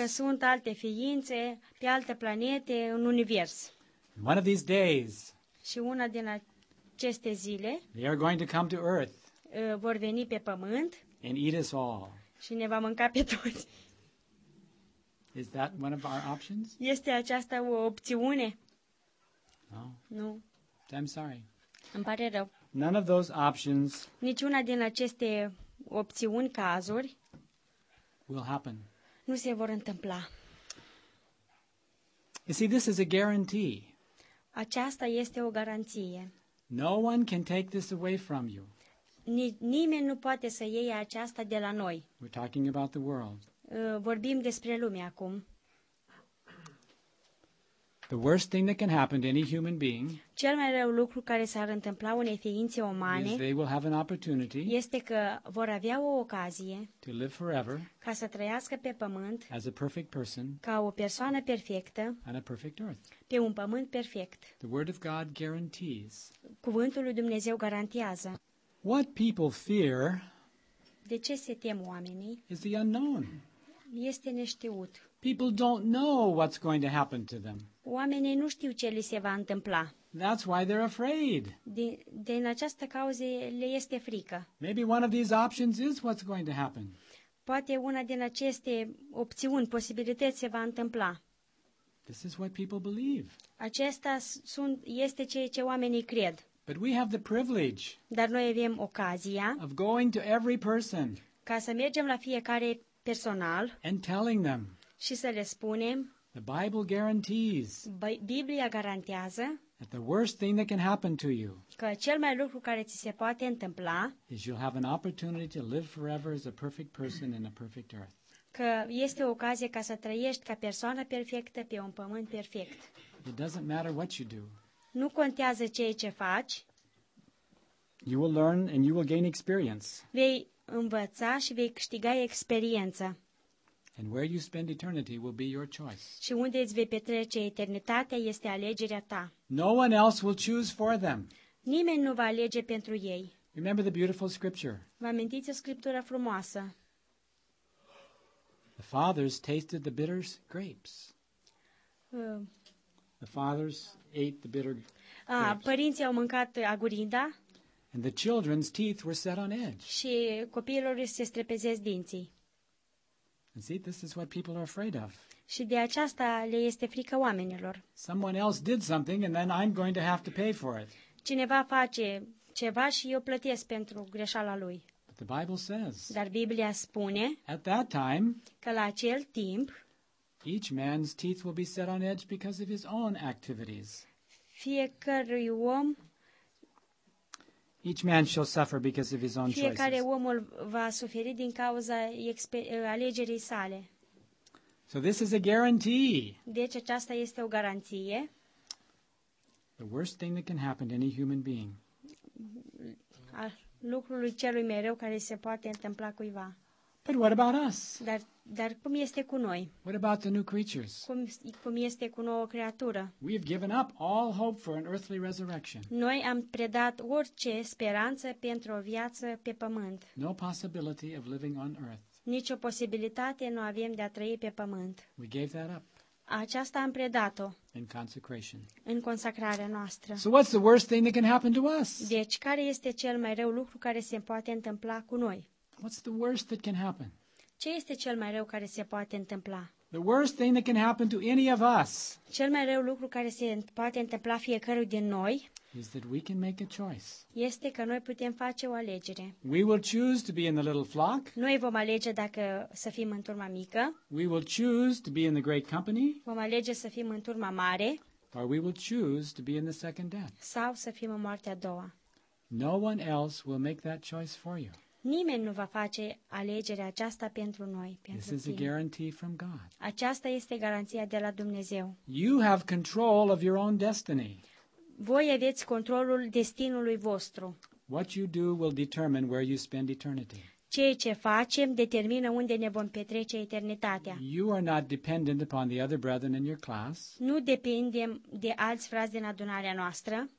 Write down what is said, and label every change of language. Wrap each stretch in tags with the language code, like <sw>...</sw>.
<ro>Că sunt alte ființe pe alte planete în univers.</ro> <en>One of these days.</en> <ro>Și una din aceste zile.</ro> <en>They are going to come to Earth.</en> <ro>Vor veni pe pământ.</ro> <en>And eat us all.</en> <ro>Și ne va mânca pe toți.</ro> <en>Is that one of our options?</en> <ro>Este aceasta o opțiune?</ro> <en>No.</en> <ro>Nu.</ro> <en>I'm sorry.</en> <ro>Îmi pare rău.</ro> <en>None of those options.</en> <ro>Niciuna din aceste opțiuni, cazuri.</ro> <en>Will happen.</en> <ro>Nu se vor întâmpla.</ro> <en>You see, this is a guarantee.</en> <ro>Aceasta este o garanție.</ro> <en>No one can take this away from you.</en> <ro>Nimeni nu poate să ia aceasta de la noi.</ro> <en>We're talking about the world.</en> <ro>Vorbim despre lume acum.</ro> <en>The worst thing that can happen to any human being.</en> <ro>Cel mai rău lucru care s-ar întâmpla unei ființe umane.</ro> <en>They will have an opportunity.</en> <ro>Este că vor avea o ocazie.</ro> <en>To live forever.</en> <ro>Ca să trăiască pe pământ.</ro> <en>As a perfect person.</en> <ro>Ca o persoană perfectă.</ro> <en>On a perfect earth.</en> <ro>Pe un pământ perfect.</ro> <en>The word of God guarantees.</en> <ro>Cuvântul lui Dumnezeu garantează.</ro> <en>What people fear.</en> <ro>De ce se tem oamenii?</ro> <en>Is the unknown.</en> <ro>Este neștiut.</ro> <en>People don't know what's going to happen to them.</en> <ro>Oamenii nu știu ce li se va întâmpla.</ro> <en>That's why they're afraid.</en> <ro>Din această cauză le este frică.</ro> <en>Maybe one of these options is what's going to happen.</en> <ro>Poate una din aceste opțiuni, posibilități se va întâmpla.</ro> <en>This is what people believe.</en> <ro>Acesta este ceea ce oamenii cred.</ro> <en>But we have the privilege.</en> <ro>Dar noi avem ocazia.</ro> <en>Of going to every person.</en> <ro>Ca să mergem la fiecare personal.</ro> <en>And telling them.</en> <ro>Și să le spunem.</ro> <en>The Bible guarantees.</en> <ro>Biblia garantează.</ro> <en>That the worst thing that can happen to you.</en> <ro>Că cel mai lucru care ți se poate întâmpla.</ro> <en>Is you'll have an opportunity to live forever as a perfect person in a perfect earth.</en> <ro>Că este o ocazie ca să trăiești ca persoană perfectă pe un pământ perfect.</ro> <en>It doesn't matter what you do.</en> <ro>Nu contează ceea ce faci.</ro> <en>You will learn and you will gain experience.</en> <ro>Vei învăța și vei câștiga experiență.</ro> <en>And where you spend eternity will be your choice.</en> <ro>Și unde îți vei petrece eternitatea este alegerea ta.</ro> <en>No one else will choose for them.</en> <ro>Nimeni nu va alege pentru ei.</ro> <en>Remember the beautiful scripture.</en> <ro>Vă amintiți scriptura frumoasă?</ro> <en>The fathers tasted the bitter grapes. The fathers ate the bitter grapes.</en> <ro>Părinții au mâncat agurinda.</ro> <en>And the children's teeth were set on edge.</en> <ro>Și copiilor se strepezesc dinții.</ro> <en>And see, this is what people are afraid of.</en> <ro>Și de aceasta le este frică oamenilor.</ro> <en>Someone else did something and then I'm going to have to pay for it.</en> <ro>Cineva face ceva și eu plătesc pentru greșeala lui.</ro> <en>But the Bible says.</en> <ro>Dar Biblia spune.</ro> <en>At that time.</en> <ro>Că la acel timp.</ro> <en>Each man's teeth will be set on edge because of his own activities.</en> <ro>Fiecărui om.</ro> <en>Each man shall suffer because of his own choices.</en> <ro>Fiecare omul va suferi din cauza alegerii sale.</ro> <en>So this is a guarantee.</en> <ro>Deci aceasta este o garanție.</ro> <en>The worst thing that can happen to any human being.</en> <ro>Lucrului celui mai rău care se poate întâmpla cuiva.</ro> <en>But what about us?</en> <ro>Dar cum este cu noi?</ro> <en>What about the new creatures?</en> <ro>Cum este cu noua creatură?</ro> <en>We have given up all hope for an earthly resurrection.</en> <ro>Noi am predat orice speranță pentru o viață pe pământ.</ro> <en>No possibility of living on earth.</en> <ro>Nicio posibilitate nu avem de a trăi pe pământ.</ro> <en>We gave that up.</en> <ro>Aceasta am predat-o.</ro> <en>In consecration.</en> <ro>În consacrarea noastră.</ro> <en>So what's the worst thing that can happen to us?</en> <ro>Deci care este cel mai rău lucru care se poate întâmpla cu noi?</ro> <en>What's the worst that can happen?</en> <ro>Ce este cel mai rău care se poate întâmpla?</ro> <en>The worst thing that can happen to any of us.</en> <ro>Cel mai rău lucru care se poate întâmpla fiecărui din noi.</ro> <en>Is that we can make a choice.</en> <ro>Este că noi putem face o alegere.</ro> <en>We will choose to be in the little flock.</en> <ro>Noi vom alege dacă să fim în turma mică.</ro> <en>We will choose to be in the great company.</en> <ro>Vom alege să fim în turma mare.</ro> <en>Or we will choose to be in the second death.</en> <ro>Sau să fim în moartea a doua.</ro> <en>No one else will make that choice for you.</en> <ro>Nimeni nu va face alegerea aceasta pentru noi, pentru</ro> <en>This is a guarantee from God.</en> <ro>Aceasta este garanția de la Dumnezeu.</ro> <en>You have control of your own destiny.</en> <ro>Voi aveți controlul destinului vostru.</ro> <en>What you do will determine where you spend eternity.</en> <ro>Ceea ce facem determină unde ne vom petrece eternitatea.</ro> <en>You are not dependent upon the other brethren in your class.</en> <ro>Nu depindem de alți frați din adunarea noastră.</ro>